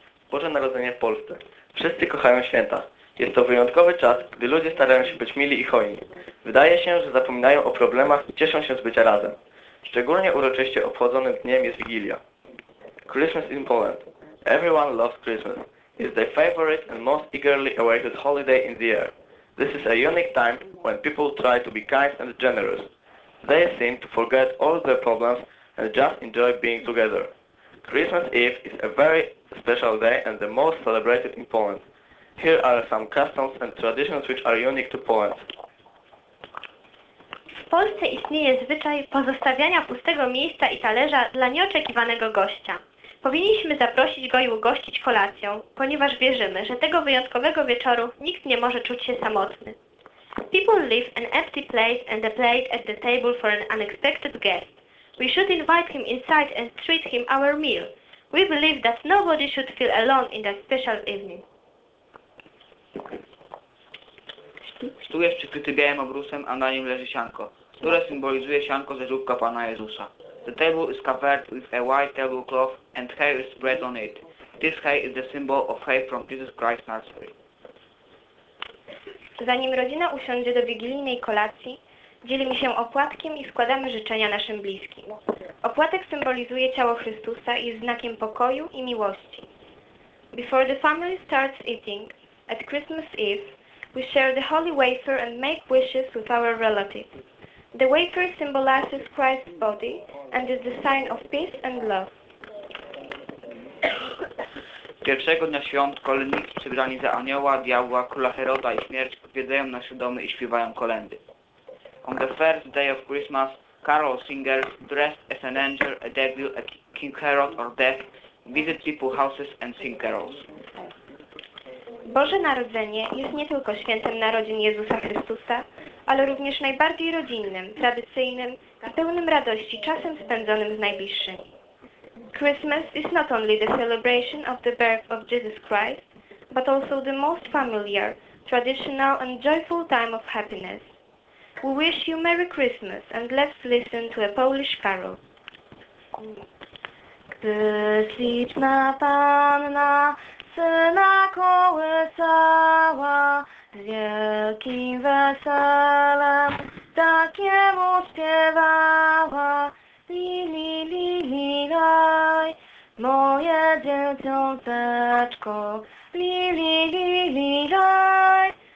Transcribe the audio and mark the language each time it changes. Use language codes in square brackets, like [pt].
[pl] Boże Narodzenie w Polsce. Wszyscy kochają święta. Jest to wyjątkowy czas, gdy ludzie starają się być mili i hojni. Wydaje się, że zapominają o problemach i cieszą się z bycia razem. Szczególnie uroczyście obchodzonym dniem jest Wigilia. [en] Christmas in Poland. Everyone loves Christmas. It's their favorite and most eagerly awaited holiday in the year. This is a unique time when people try to be kind and generous. They seem to forget all their problems and just enjoy being together. Christmas Eve is a very special day and the most celebrated in Poland. Here are some customs and traditions which are unique to Poland. [pl] W Polsce istnieje zwyczaj pozostawiania pustego miejsca i talerza dla nieoczekiwanego gościa. Powinniśmy zaprosić go i ugościć kolacją, ponieważ wierzymy, że tego wyjątkowego wieczoru nikt nie może czuć się samotny. [en] People leave an empty place and a plate at the table for an unexpected guest. We should invite him inside and treat him our meal. We believe that nobody should feel alone in that special evening. [pl] Stół jest przykryty białym obrusem, a na nim leży sianko, które symbolizuje sianko ze żłóbka Pana Jezusa. [en] The table is covered with a white tablecloth and hay is spread on it. This hay is the symbol of hay from Jesus Christ's nursery. [pl] Zanim rodzina usiądzie do wigilijnej kolacji, dzielimy się opłatkiem i składamy życzenia naszym bliskim. Opłatek symbolizuje ciało Chrystusa i jest znakiem pokoju i miłości. [en] Before the family starts eating, at Christmas Eve, we share the holy wafer and make wishes with our relatives. The wafer symbolizes Christ's body and is the sign of peace and love. [pl] Pierwszego dnia świąt kolędnicy przybrani za anioła, diabła, króla Heroda i śmierć odwiedzają nasze domy i śpiewają kolędy. [en] On the first day of Christmas, carol singers, dressed as an angel, a devil, a King Herod or Death, visit people's houses and sing carols. [pl] Boże Narodzenie jest nie tylko świętem narodzin Jezusa Chrystusa, ale również najbardziej rodzinnym, tradycyjnym i pełnym radości czasem spędzonym z najbliższymi. [en] Christmas is not only the celebration of the birth of Jesus Christ, but also the most familiar, traditional and joyful time of happiness. We wish you Merry Christmas and let's listen to a Polish carol. [pl] Gdy śliczna Panna Syna kołysała z wielkim weselem takiemu śpiewała li li li li laj moje dzięcioteczko li li li li laj